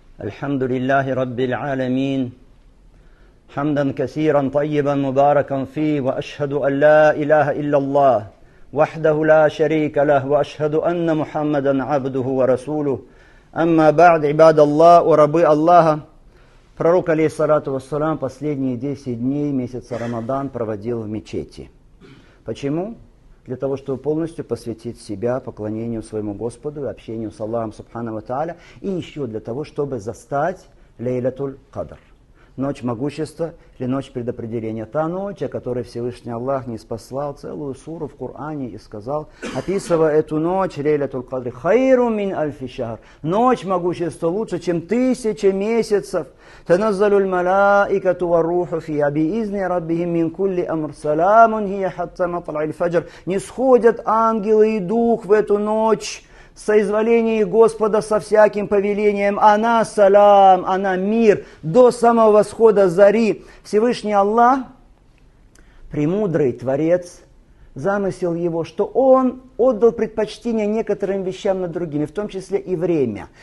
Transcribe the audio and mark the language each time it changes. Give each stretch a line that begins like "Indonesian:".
Arabic: الحمد لله رب العالمين، حمدا كثيرا طيبا مباركا فيه، وأشهد أن لا إله إلا الله وحده لا شريك له، وأشهد أن محمدا عبده ورسوله. أما بعد، عباد الله وربي الله،
Russian: пророк عليه الصلاة والسلام последние 10 дней месяца رمضان проводил в мечети. Почему? Для того, чтобы полностью посвятить себя поклонению своему Господу и общению с Аллахом Субхана ва Тааля, и еще для того, чтобы застать Лейлатуль Кадр, ночь могущества или ночь предопределения. Та ночь, о которой Всевышний Аллах ниспослал целую суру в Коране и сказал, описывая эту ночь, Лейлатуль Кадр, хайру мин альфи шахр, ночь могущества лучше, чем тысячи месяцев.
Arabic: تنزل الملائكة والروح فيها بإذن ربهم من كل أمر سلام هي حتى مطلع الفجر.
Russian: نسходят ангелы и дух в эту ночь соизволение Господа со всяким повелением. Она салам, она мир до самого восхода зари. Всевышний Аллах, премудрый Творец, замысел его, что он отдал предпочтение некоторым вещам над другими, в том числе и время.